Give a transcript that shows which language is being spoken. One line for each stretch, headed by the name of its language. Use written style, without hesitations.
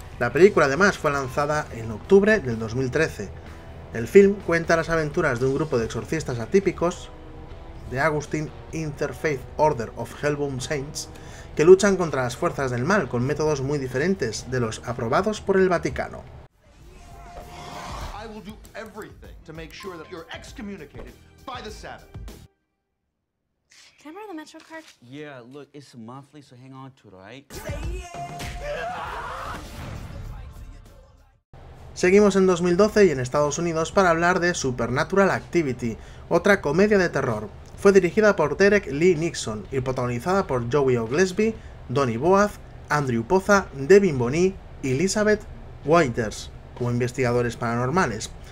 Spanish: La película además fue lanzada en octubre del 2013. El film cuenta las aventuras de un grupo de exorcistas atípicos, The Augustine Interfaith Order of Hellbound Saints, que luchan contra las fuerzas del mal con métodos muy diferentes de los aprobados por el Vaticano.
English: I will do everything to make sure that you're excommunicated by the Sabbath. Can I borrow the metro card? Yeah, look, it's monthly, so hang on to it, right?
Spanish: Seguimos en 2012 y en Estados Unidos para hablar de Supernatural Activity, otra comedia de terror. Fue dirigida por Derek Lee Nixon y protagonizada por Joey Oglesby, Donny Boaz, Andrew Poza, Devin Boney y Elizabeth Waters como investigadores paranormales.